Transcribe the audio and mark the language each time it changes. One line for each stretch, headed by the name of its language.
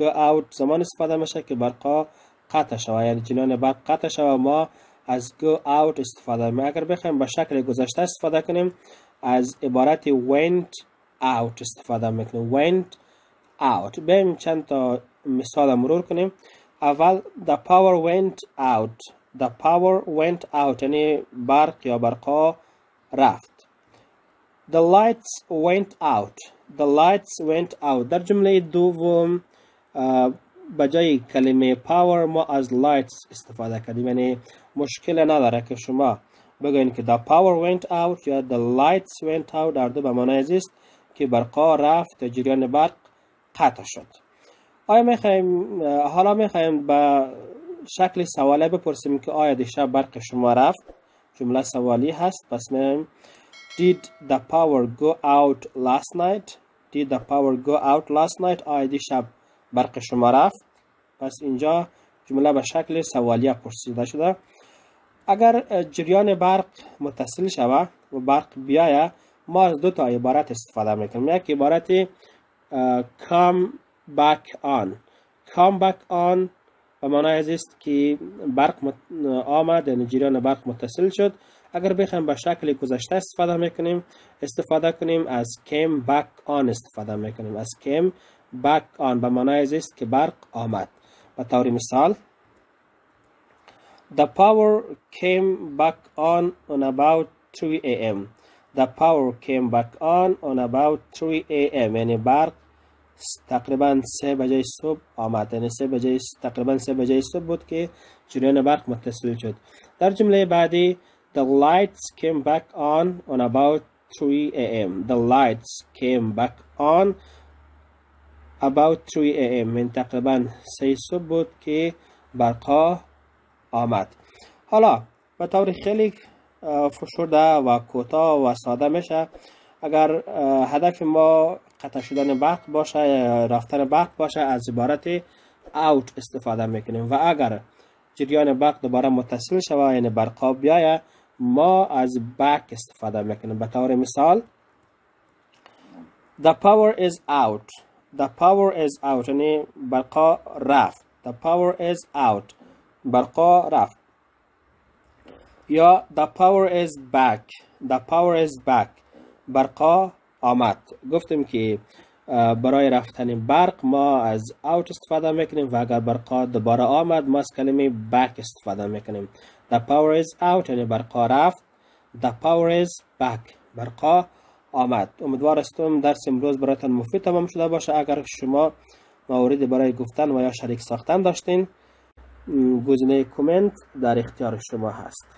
English: go out
Persian: زمان استفاده میشه که برق قطع شود، یعنی جریان برق قطع شود، ما از go out استفاده میکنیم. اگر بخوایم به شکل گذشته استفاده کنیم، از عبارتی went out استفاده میکنیم.
English: went out.
Persian: بیایم چند تا مثال مرور کنیم. اول
English: the power went out. the power went out
Persian: یعنی برق یا برق رفت.
English: The lights went out. The lights went out.
Persian: در جمله دوم بجای کلمه power ما از lights استفاده کردیم. یعنی مشکل نداره که شما بگوین که
English: the power went out
Persian: یا
English: the lights went out.
Persian: در دو بمانه ازیست که برقا رفت و جریان برق قطع شد. آیا می خواهیم حالا می خواهیم به شکل سواله بپرسیم که آیا دیشب برق شما رفت؟ جمله سوالی هست.
English: پس میگم Did the power go out last night? Did the power go out last night?
Persian: آیا دیشب برق شما رفت؟ پس اینجا جمله به شکل سوالی پرسیده شده. اگر جریان برق متصل شود و برق بیاید، ما از دو تا عبارت استفاده میکنیم. یک عبارت
English: come back on. Come back on
Persian: به معنای ازیست که برق آمد، یعنی جریان برق متصل شد. اگر بخوایم به شکل گذشته استفاده میکنیم، استفاده کنیم از
English: came back on
Persian: استفاده میکنیم. از
English: came back on
Persian: به معنای ازیست که برق آمد. به طور مثال
English: The power came back on about 3 a.m. The power came back on about 3 a.m.
Persian: یعنی برق تقریبا 3 بجای صبح آمد، یعنی 3 بجای تقریبا 3 بجای صبح بود که جریان برق متصل شد. در جمله بعدی
English: The lights came back on about 3 a.m. The lights came back on about 3 a.m.
Persian: یعنی تقریبا 3 صبح بود که برقا آمد. حالا به طور خیلی فشرده و کوتاه و ساده میشه، اگر هدف ما قطع شدن برق باشه، رفتن برق باشه، از عبارت out استفاده میکنیم، و اگر جریان برق دوباره متصل شود، یعنی برقا بیاید، ما از back استفاده میکنیم. به طور مثال
English: The power is out. The power is out
Persian: یعنی برقا رفت.
English: The power is out.
Persian: برقا رفت. یا
English: The power is back. The power is back.
Persian: برقا آمد. گفتیم که برای رفتن برق ما از out استفاده میکنیم، و اگر برقا دوباره آمد، ما از کلمه back استفاده میکنیم.
English: The power is out
Persian: یعنی برقا رفت.
English: The power is back.
Persian: برقا آمد. امیدوار استم درس امروز براتون مفید تمام شده باشه. اگر شما موردی برای گفتن و یا شریک ساختن داشتین، گزینه کامنت در اختیار شما هست.